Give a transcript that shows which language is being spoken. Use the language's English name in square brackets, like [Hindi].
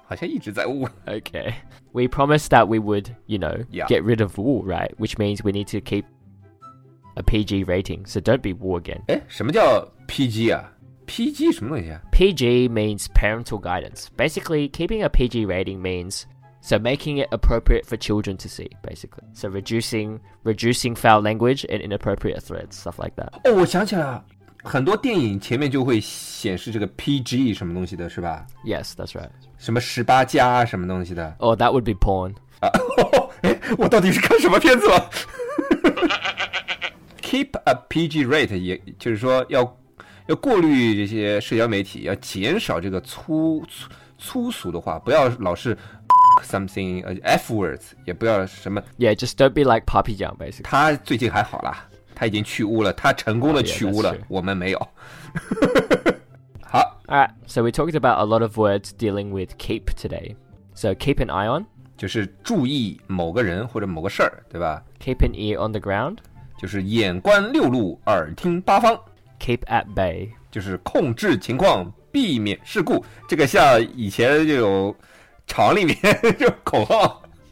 [Chinese] 好像一直在污。 [English] Okay, we promised that we would, you know,、 yeah. get rid of wu, right? Which means we need to keep a PG rating, so don't be wu again. [Chinese] 诶，什么叫 PG 啊？PG 什么东西啊 [English] ？PG means parental guidance. Basically, keeping a PG rating means so making it appropriate for children to see. Basically, so reducing foul language and inappropriate threats, stuff like that. [Chinese] 哦，我想起来了，很多电影前面就会显示这个 PG 什么东西的，是吧 [English] ？Yes, that's right. [Chinese] 什么十八加什么东西的 [English] ？Oh, that would be porn. [Chinese] 我到底是看什么片子了？ [English] Keep a PG rate， [Chinese] 也就是说要过滤这些社交媒体，要减少这个粗俗的话，不要老是 [English] something f words， [Chinese] 也不要什么。 [English] Yeah, just don't be like Papi Jiang, basically. [Chinese] 他最近还好啦，他已经去污了，他成功的去污了， [English] oh, yeah, [Chinese] 我们没有。好 [English] ，Alright, so we talked about a lot of words dealing with keep today. So keep an eye on， [Chinese] 就是注意某个人或者某个事儿，对吧 [English] ？Keep an ear on the ground， [Chinese] 就是眼观六路，耳听八方。 [English] Keep at bay [Chinese] 就是控制情况，避免事故。这个像以前就有厂里面就口号。